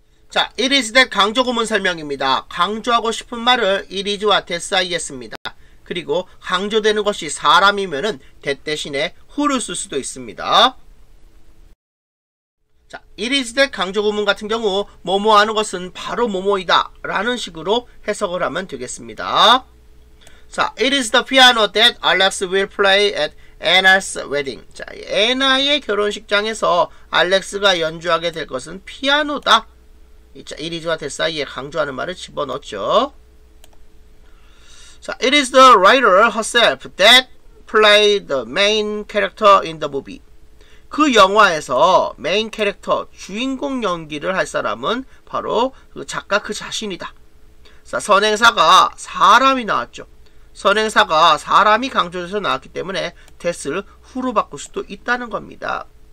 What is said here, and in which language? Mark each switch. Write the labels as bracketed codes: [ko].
[ko] 자, it is that 강조구문 설명입니다. 강조하고 싶은 말을 it is와 that 사이에 씁니다. 그리고 강조되는 것이 사람이면은 that 대신에 who를 쓸 수도 있습니다. 자, it is that 강조구문 같은 경우 뭐뭐 하는 것은 바로 뭐뭐이다 라는 식으로 해석을 하면 되겠습니다. [en] 자, it is the piano that Alex will play at Anna's wedding. [ko] 자, Anna의 결혼식장에서 Alex가 연주하게 될 것은 피아노다. 자, it is와 that 사이에 강조하는 말을 집어넣죠. [en] 자, it is the writer herself that played the main character in the movie. [ko] 그 영화에서 메인 캐릭터, 주인공 연기를 할 사람은 바로 그 작가 그 자신이다. 자, 선행사가 사람이 나왔죠. 선행사가 사람이 강조돼서 나왔기 때문에 that을 who로 바꿀 수도 있다는 겁니다.